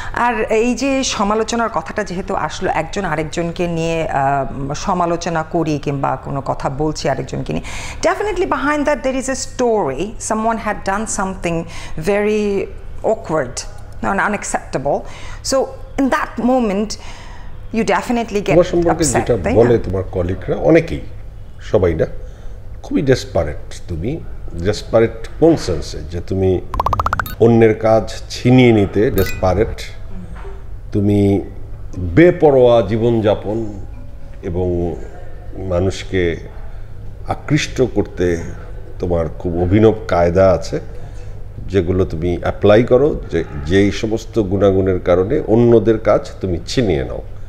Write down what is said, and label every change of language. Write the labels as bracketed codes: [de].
[bn] আর এই যে সমালোচনার কথাটা যেহেতু আসলো একজন আরেকজনকে নিয়ে সমালোচনা করি কিংবা কোনো কথা বলছি আরেকজনকে নিয়ে definitely behind that [en] There is a story, someone had done something very awkward and unacceptable. So in that moment, you definitely get upset. [bn] তোমার সম্পর্কে যেটা বলে তোমার কলিগরা অনেকেই সবাই না খুবই ডেসপারেট তুমি ডেসপারেট কোন সেন্সে যে তুমি অন্যের কাজ ছিনিয়ে নিতে ডেসপারেট তুমি বেপরোয়া জীবনযাপন এবং মানুষকে আকৃষ্ট করতে তোমার খুব অভিনব কায়দা আছে যেগুলো তুমি অ্যাপ্লাই করো যেই সমস্ত গুণাগুণের কারণে অন্যদের কাজ তুমি ছিনিয়ে নাও